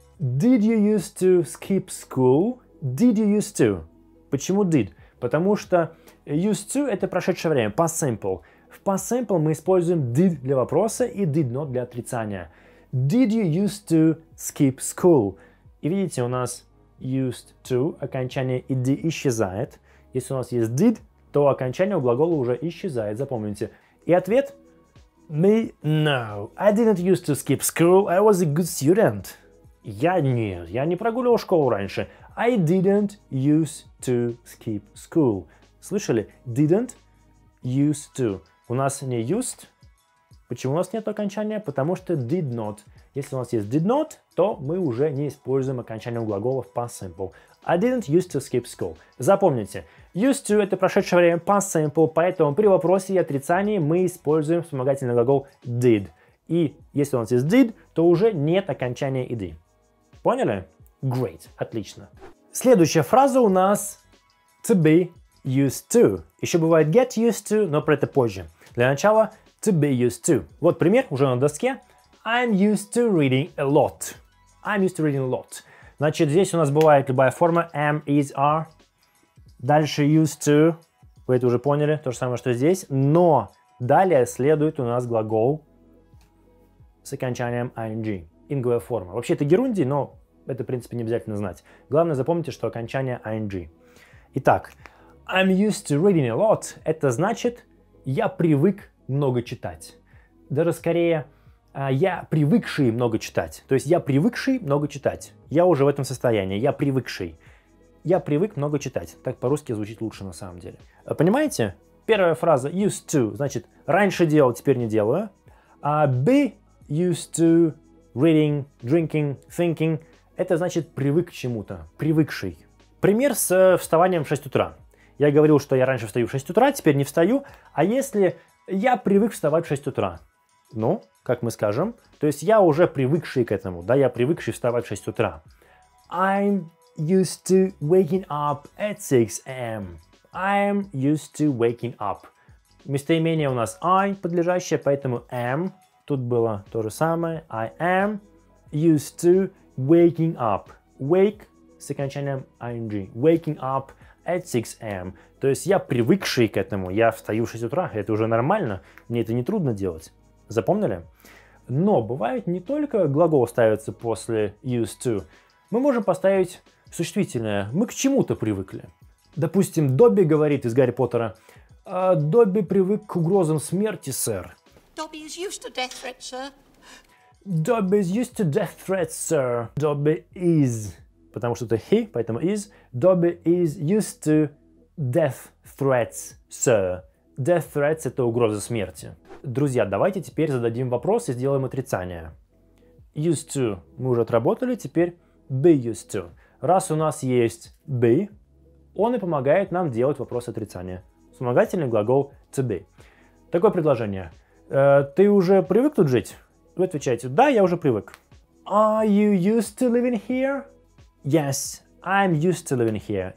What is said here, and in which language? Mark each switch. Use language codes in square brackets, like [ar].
[en] Did you used to skip school? Did you used to? [ru] Почему [en] did? [ru] Потому что used to это прошедшее время, past simple. В past simple мы используем did для вопроса и did not для отрицания. [en] Did you used to skip school? [ru] И видите, у нас used to, окончание ed исчезает. Если у нас есть did, то окончание у глагола уже исчезает, запомните. И ответ? [en] Me? No. I didn't used to skip school. I was a good student. [ru] Я не прогуливал школу раньше. [en] I didn't used to skip school. [ru] Слышали? [en] Didn't used to. [ru] У нас не used. Почему у нас нет окончания? Потому что did not. Если у нас есть did not, то мы уже не используем окончание глагола в past simple. [en] I didn't used to skip school. [ru] Запомните, used to — это прошедшее время, past simple, поэтому при вопросе и отрицании мы используем вспомогательный глагол did. И если у нас есть did, то уже нет окончания ed. Поняли? [en] Great, [ru] отлично. Следующая фраза у нас [en] to be used to. [ru] Еще бывает get used to, но про это позже. Для начала to be used to. Вот пример уже на доске. [en] I'm used to reading a lot. I'm used to reading a lot. [ru] Значит, здесь у нас бывает любая форма am, is, are. Дальше used to. Вы это уже поняли, то же самое, что здесь. Но далее следует у нас глагол с окончанием ing. Инговая форма. Вообще это герундий, но это, в принципе, не обязательно знать. Главное, запомните, что окончание ing. Итак, [en] I'm used to reading a lot. [ru] Это значит, я привык много читать. Даже скорее, я привыкший много читать. То есть, я привыкший много читать. Я уже в этом состоянии. Я привыкший. Я привык много читать. Так по-русски звучит лучше на самом деле. Понимаете? Первая фраза used to. Значит, раньше делал, теперь не делаю. [en] Be used to reading, drinking, thinking. [ru] Это значит привык к чему-то. Привыкший. Пример с вставанием в 6 утра. Я говорил, что я раньше встаю в 6 утра, теперь не встаю. А если я привык вставать в 6 утра? Ну, как мы скажем. То есть я уже привыкший к этому, да, я привыкший вставать в 6 утра. [en] I'm used to waking up at 6 a.m. I'm used to waking up. [ru] Местоимение у нас I, подлежащее, поэтому am. Тут было то же самое. [en] I am used to waking up. [ru] Wake с окончанием ing. [en] Waking up at 6 a.m. [ru] То есть я привыкший к этому, я встаю в 6 утра, это уже нормально, мне это не трудно делать. Запомнили? Но бывает не только глагол ставится после used to. Мы можем поставить существительное. Мы к чему-то привыкли. Допустим, Добби говорит из Гарри Поттера. Добби привык к угрозам смерти, сэр. [en] Добби is used to death threats, sir. Добби is used to death threats, sir. Добби is. [ru] Потому что это he, поэтому is. [en] Добби is used to death threats, sir. [ru] Death threats — это угроза смерти. Друзья, давайте теперь зададим вопрос и сделаем отрицание. Used to мы уже отработали, теперь be used to. Раз у нас есть be, он и помогает нам делать вопрос отрицания. Вспомогательный глагол to be. Такое предложение. Ты уже привык тут жить? Вы отвечаете, да, я уже привык. [en] Are you used to living here? Yes, I'm used to living here.